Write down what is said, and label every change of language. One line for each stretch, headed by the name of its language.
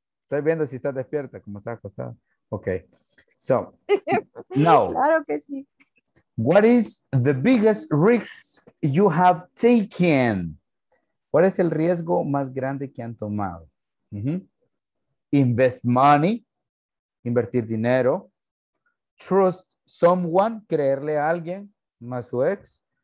Spanish: Estoy viendo si está despierta, como está acostada.
English: Okay. So, now.
Spanish: Claro que sí.
English: What is the biggest risk you have taken?
Spanish: ¿Cuál es el riesgo más grande que han tomado? Mm-hmm.
English: Invest money,
Spanish: invertir dinero.
English: Trust someone,
Spanish: creerle a alguien, más su ex.